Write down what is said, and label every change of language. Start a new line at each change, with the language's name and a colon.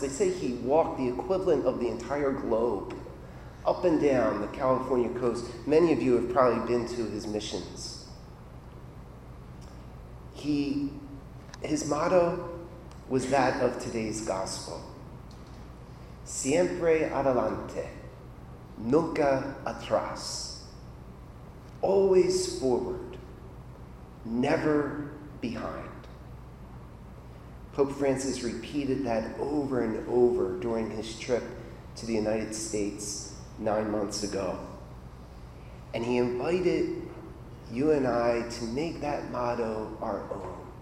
English: They say he walked the equivalent of the entire globe, up and down the California coast. Many of you have probably been to his missions. His motto was that of today's gospel.
Spanish: Siempre adelante, nunca atrás.
English: Always forward, never behind. Pope Francis repeated that over and over during his trip to the United States 9 months ago. And he invited you and I to make that motto our own.